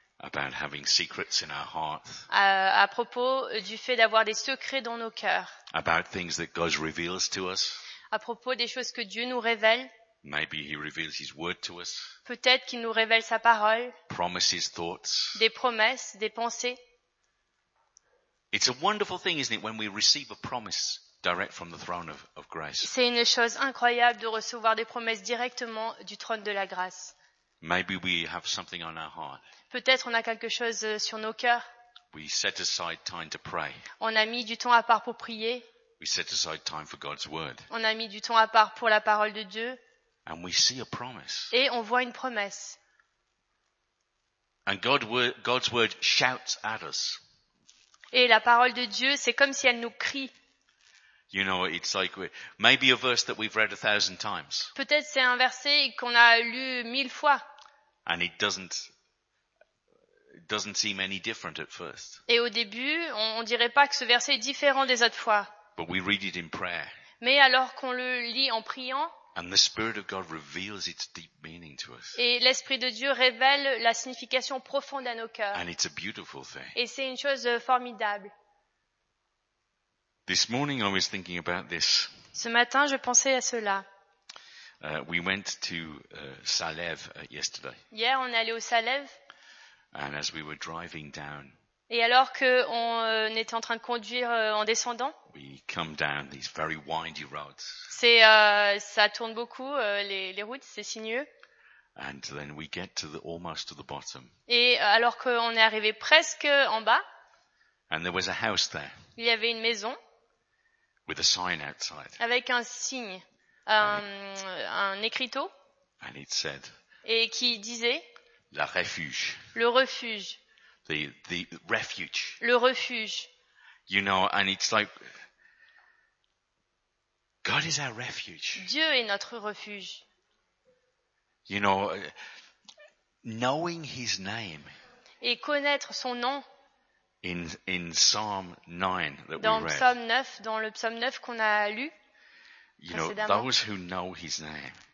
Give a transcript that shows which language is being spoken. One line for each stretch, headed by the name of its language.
English: About having secrets in our hearts.
French: À propos du fait d'avoir des secrets dans nos cœurs.
English: About things that God reveals to us.
French: À propos des choses que Dieu nous révèle.
English: Maybe he reveals his word to us.
French: Peut-être qu'il nous révèle sa parole.
English: Promises, thoughts.
French: Des promesses, des pensées.
English: It's a wonderful thing, isn't it, when we receive a promise direct from the throne of grace.
French: C'est une chose incroyable de recevoir des promesses directement du trône de la grâce.
English: Maybe we have something on our heart.
French: Peut-être on a quelque chose sur nos cœurs.
English: We set aside time to pray.
French: On a mis du temps à part pour prier.
English: We set aside time for God's word.
French: On a mis du temps à part pour la parole de Dieu.
English: And we see a promise.
French: Et on voit une promesse.
English: And God's word shouts at us.
French: Et la parole de Dieu, c'est comme si elle nous crie.
English: You know, it's like maybe a verse that we've read 1,000 times.
French: Peut-être c'est un verset qu'on a lu 1,000 fois.
English: And it doesn't seem any different at first.
French: Et au début, on dirait pas que ce verset est différent des autres fois.
English: But we read it in prayer.
French: Mais alors qu'on le lit en priant.
English: And the Spirit of God reveals its deep meaning to us.
French: Et l'Esprit de Dieu révèle la signification profonde à nos cœurs.
English: And it's a beautiful thing.
French: Et c'est une chose formidable.
English: This morning I was thinking about this.
French: Ce matin, je pensais à cela.
English: We went to Salève yesterday.
French: Hier, on est allé au Salève.
English: And as we were driving down.
French: Et alors que on était en train de conduire en descendant.
English: We come down these very windy roads.
French: C'est ça tourne beaucoup les routes, c'est sinueux.
English: And then we get to the almost to the bottom.
French: Et alors que on est arrivé presque en bas.
English: And there was a house there.
French: Il y avait une maison.
English: With a sign outside.
French: Avec un signe, un écriteau.
English: And it said,
French: et qui disait. La refuge. Le refuge.
English: The refuge.
French: Le refuge.
English: You know, and it's like, God is our refuge.
French: Dieu est notre refuge.
English: You know, knowing his name.
French: Et connaître son nom.
English: In Psalm 9 that
French: dans
English: we read.
French: Psalm 9, dans le psaume 9 qu'on a lu.
English: You know, those who know his name.